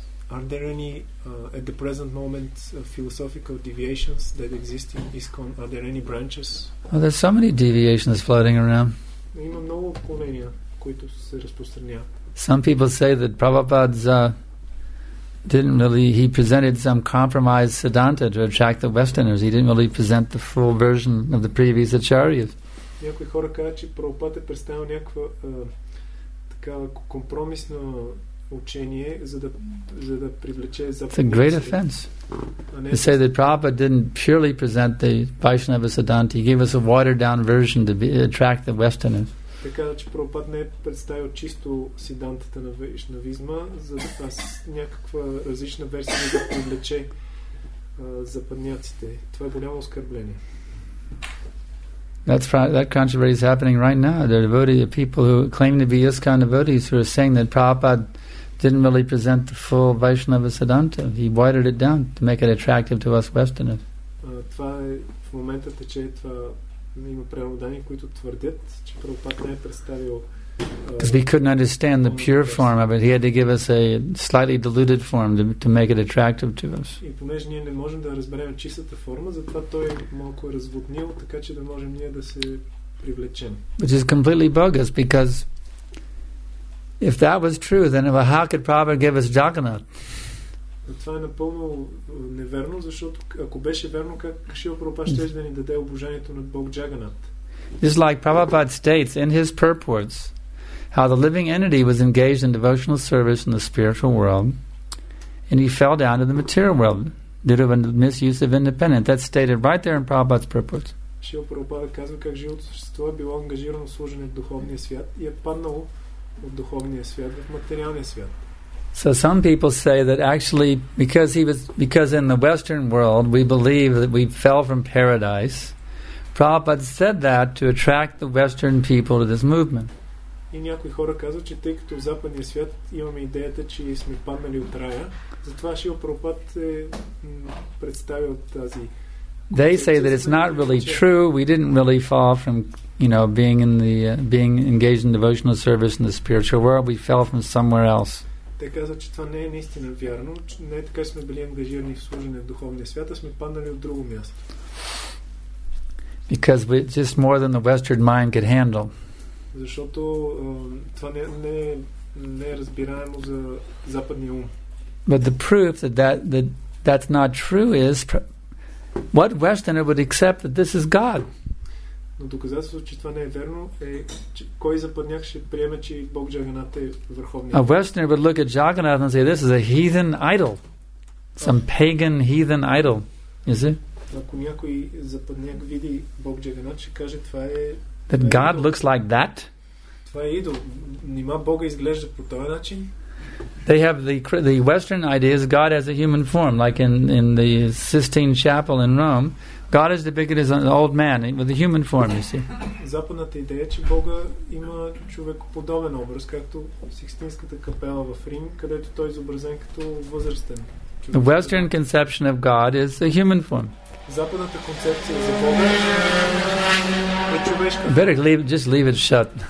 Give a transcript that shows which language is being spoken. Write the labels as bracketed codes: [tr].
[en] Are there any at the present moment philosophical deviations that exist in ISKCON? Are there any branches? Oh, there's so many deviations floating around. [bg] Има много отклонения, които се разпространяват. [en] Some people say that Prabhupada's didn't really, he presented some compromised Siddhanta to attract the Westerners. He didn't really present the full version of the previous acharyas. [bg] Някои хора казват, че Прабхупада е представил някаква такава компромисно учение, за да привлече западните. [en] It's a great offense. They say that Prabhupada didn't purely present the Vaishnava Siddhanta. He gave us a watered down version to attract the Westerners. [bg] Така че Прабхупада не е представил чисто сидантата на вайшнавизма, за да с някаква различна версия да привлече западняците. Това е голямо оскърбление. [en] That controversy is happening right now. There are devotees, people who claim to be ISKCON devotees, who are saying that Prabhupada didn't really present the full Vaishnava Siddhanta. He watered it down to make it attractive to us Westerners. [bg] Това е в момента тече това. Има преводани, които твърдят, че Прабхупада не е представил. [en] Because we couldn't understand the pure form of it, he had to give us a slightly diluted form to make it attractive to us. [bg] И понеже ние не можем да разберем чистата форма, затова той малко е разводнил, така че да можем ние да се привлечем. [en] Which is completely bogus, because if that was true, then how could Prabhupada give us Jagannath? [bg] Това е напълно неверно, защото ако беше верно, как Шрила Прабхупада щеше да ни даде обожанието на Бог Джаганат. [en] Just like Prabhupada states in his purports how the living entity was engaged in devotional service in the spiritual world and he fell down to the material world due to a misuse of independence. That's stated right there in Prabhupada's purports. [bg] Шрила Прабхупада казва как живото същество е било ангажирано в служене в духовния свят и е паднало от духовния свят в материалния свят. [en] So some people say that actually because in the Western world we believe that we fell from paradise, Prabhupada said that to attract the Western people to this movement. [bg] И някои хора казват, че тъй като в западния свят имаме идеята, че сме паднали от рая, затова Шрила Прабхупада е представил тази. [en] They say that it's not really true. We didn't really fall from, you know, being engaged in devotional service in the spiritual world. We fell from somewhere else. [bg] Те казват, че това не е наистина вярно. Не е така, че сме били ангажирани в служене в духовния свят, а сме паднали от друго място. [en] Because we just more than the Western mind could handle. [bg] Защото това не е разбираемо за западния ум. [en] But the proof that's not true is what Westerner would accept that this is God. [bg] Но доказателство, че това не е верно, е че кой западняк ще приеме, че Бог Джаганат е върховният. [en] A Westerner would look at Jagannath and say, this is a heathen idol. Some pagan heathen idol. Is it? [bg] Ако някой западняк види Бог Джаганат, ще каже, това е. [en] That God looks like that? [bg] Това е идол. Нима Бога изглежда по този начин? [en] They have the Western idea is God has a human form, like in the Sistine Chapel in Rome. God is depicted as an old man with a human form, you see. [bg] Западната идея е, че Бога има човекоподобен образ, както Сикстинската капела в Рим, където той е изобразен като възрастен. [en] The Western conception of God is a human form. [bg] Западната концепция за Бога е човешка. [en] Better just leave it shut.